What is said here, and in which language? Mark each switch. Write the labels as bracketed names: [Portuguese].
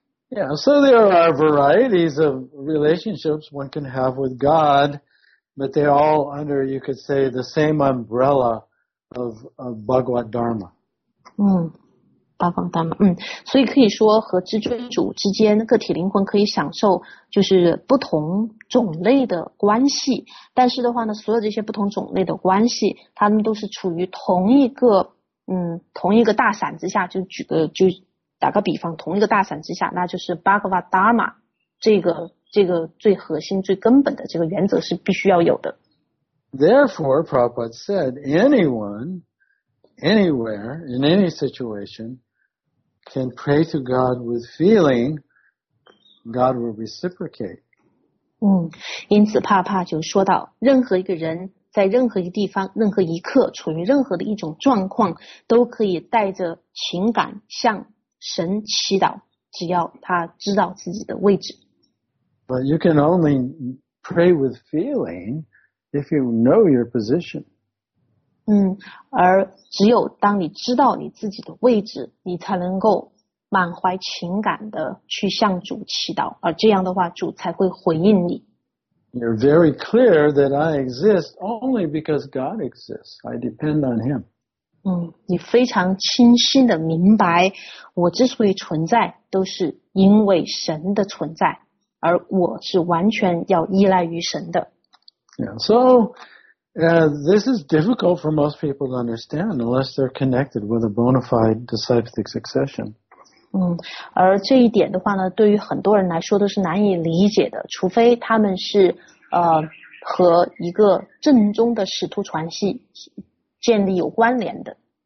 [English] Yeah, so there are varieties of relationships one can have with God, but they're all under, you could say, the same umbrella of Bhagavad Dharma. Bhagavad Dharma. [Chinese] 所以可以说和至尊主之间个体灵魂可以享受就是不同种类的关系，但是的话呢，所有这些不同种类的关系他们都是处于同一个大伞之下，打个比方，同一个大伞之下，那就是 Bhagavad Dharma 这个最核心、最根本的这个原则是必须要有的。 [English] Therefore, Prabhupada said, anyone, anywhere, in any situation, can pray to God with feeling, God will reciprocate. [Chinese] 因此帕帕就说到，任何一个人在任何一个地方、任何一刻，处于任何的一种状况，都可以带着情感向神祈祷，只要他知道自己的位置。 [English] But you can only pray with feeling if you know your position. [Chinese] 而只有当你知道你自己的位置，你才能够满怀情感的去向主祈祷，而这样的话，主才会回应你。 [English] You're very clear that I exist only because God exists. I depend on Him. [Chinese] 你非常清晰地明白，我之所以存在，都是因为神的存在，而我是完全要依赖于神的。 [English] Yeah, so, this is difficult for most people to understand unless they're connected with a bona fide disciplic succession. [Chinese] 而这一点的话呢，对于很多人来说都是难以理解的，除非他们是和一个正宗的使徒传系建立有关联的。